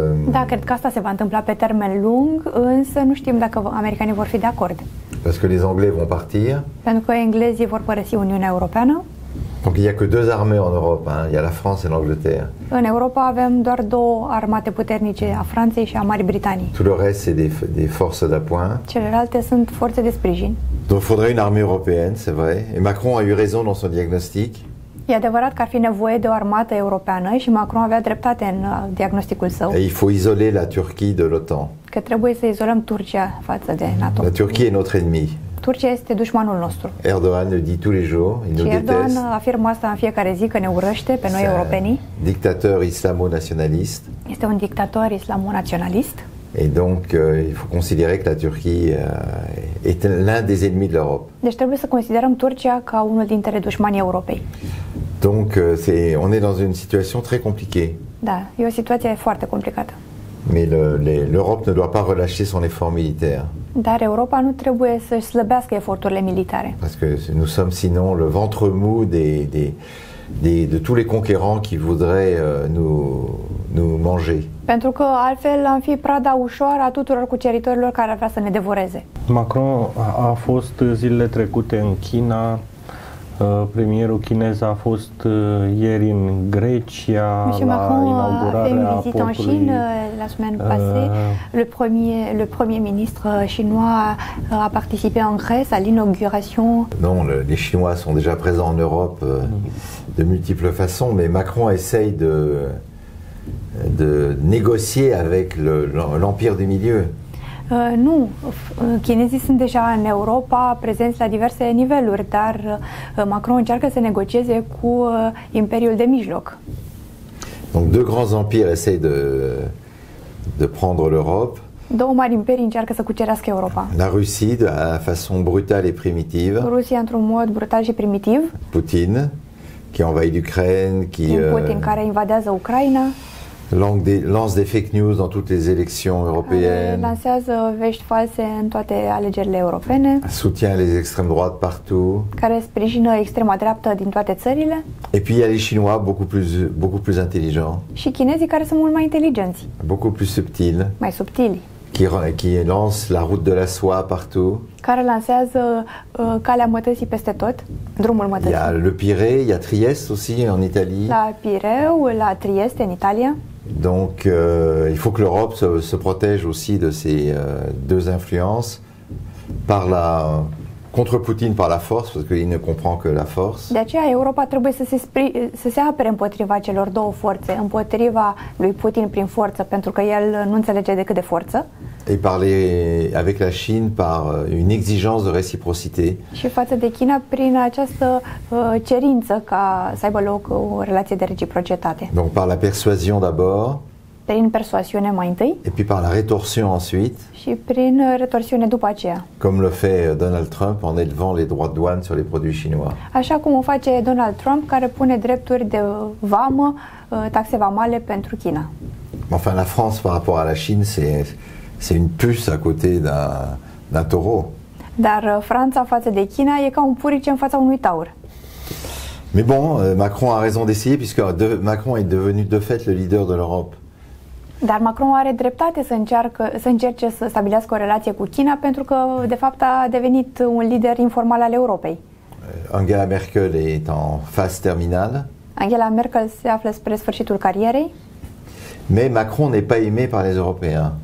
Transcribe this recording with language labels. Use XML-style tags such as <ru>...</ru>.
<ro>Da, cred că asta se va întâmpla pe termen lung, însă nu știm dacă americanii vor fi de acord.</ro> <fr>Parce que les Anglais vont partir.</fr> <ro>Pentru că englezii vor părăsi Uniunea Europeană.</ro> <fr>Donc il y a que deux armées en Europe, hein. Il y a la France et l'Angleterre.</fr> <ro>În Europa avem doar două armate puternice, a Franței și a Marii Britanii.</ro> <fr>Tout le reste c'est des forces d'appoint.</fr> <ro>Celelalte sunt forțe de sprijin.</ro> <fr>Donc il faudrait une armée européenne, c'est vrai. Et Macron a eu raison dans son diagnostic.</fr> <ro>E adevărat că ar fi nevoie de o armată europeană și Macron avea dreptate în diagnosticul său.</ro> <fr>Et il faut isoler la Turquie de l'OTAN.</fr> <ro>Că trebuie să izolăm Turcia față de NATO.</ro> <fr>La Turquie est notre ennemi.</fr> <ro>Turcia este dușmanul nostru.</ro> <fr>Erdogan le dit tous les jours, il nous déteste.</fr> <ro>Erdogan afirmă asta în fiecare zi că ne urăște pe noi europenii.</ro> <fr>Dictateur islamo-naționalist.</fr> <ro>Este un dictator islamo-naționalist.</ro> <fr>Et donc il faut considérer que la Turquie est l'un des ennemis de l'Europe.</fr> <ro>Deci trebuie să considerăm Turcia ca unul dintre dușmanii Europei.</ro> <fr>Donc on est dans une situation très compliquée.</fr> <ro>Da, e o situație foarte complicată.</ro> <fr>Mais l'Europe ne doit pas relâcher son effort militaire.</fr> <ro>Dar Europa nu trebuie să slăbească eforturile militare.</ro> <fr>Parce que nous sommes sinon le ventre mou de tous les conquérants qui voudraient nous manger.</fr> <ro>Pentru că altfel am fi prada ușoară a tuturor cuceritorilor care ar vrea să ne devoreze. Macron a fost zilele trecute în China. Premierul chinez a fost ieri în Grecia la inaugurarea portului.</ro> <fr>La semaine passée, le premier ministre chinois a participé en Grèce à l'inauguration. Non, les Chinois sont déjà présents en Europe de multiples façons, mais Macron essaye de négocier avec l'Empire du Milieu.</fr> <ro>Nu, chinezii sunt deja în Europa, prezenți la diverse niveluri, dar Macron încearcă să negocieze cu Imperiul de Mijloc.</ro> <fr>Donc deux grands empires essayent de prendre l'Europe.</fr> <ro>Două mari imperii încearcă să cucerească Europa.</ro> <fr>La Russie, de la façon brutale et primitive.</fr> <ro>Rusia într-un mod brutal și primitiv.</ro> <fr>Putin, qui envahit l'Ukraine, qui</fr> <ro>Putin care invadează Ucraina.</ro> <fr>Lance des fake news dans toutes les élections européennes.</fr> <ro>Lancează vești false în toate alegerile europene.</ro> <fr>Soutient les extrêmes droites partout.</fr> <ro>Care sprijină extrema dreaptă din toate țările.</ro> <fr>Et puis il y a les Chinois beaucoup plus intelligents.</fr> <ro>Și chinezii care sont mult mai inteligenți.</ro> <fr>Beaucoup plus subtils.</fr> <ro>Mai subtili.</ro> <fr>Qui lance la route de la soie partout.</fr> <ro>Care lancează calea mătăsii peste tot, drumul mătăsii.</ro> <fr>Il y a le Pirée, il y a Trieste aussi en Italie.</fr> <ro>La Pireu, la Trieste în Italia.</ro> <fr>Donc il faut que l'Europe se protège aussi de ces deux influences par la contre Poutine par la force parce qu'il ne comprend que la force.</fr> <ro>De aceea Europa trebuie să se apere împotriva celor două forțe, împotriva lui Putin prin forță pentru că el nu înțelege decât de forță.</ro> <fr>Et parler avec la Chine par une exigence de réciprocité.</fr> <ro>Și față de China prin această cerință ca să aibă loc o relație de reciprocitate.</ro> <fr>Donc par la persuasion d'abord.</fr> <ro>Prin persoasiune mai întâi.</ro> <fr>Et puis par la rétorsion ensuite.</fr> <ro>Și prin retorsiune după aceea.</ro> <fr>Comme le fait Donald Trump en élevant les droits de douane sur les produits chinois.</fr> <ro>Așa cum o face Donald Trump care pune drepturi de vamă, taxe vamale pentru China.</ro> <fr>Enfin la France par rapport à la Chine, c'est une puce à côté d'un taureau.</fr> <ro>Dar Franța față de China e ca un purice în fața unui taur.</ro> <fr>Mais bon, Macron a raison d'essayer puisque Macron est devenu de fait le leader de l'Europe.</fr> <ro>Dar Macron are dreptate să încerce să stabilească o relație cu China pentru că de fapt a devenit un lider informal al Europei.</ro> <fr>Angela Merkel est en phase terminale.</fr> <ro>Angela Merkel se află spre sfârșitul carierei.</ro> <fr>Mais Macron n'est pas aimé par les Européens.</fr>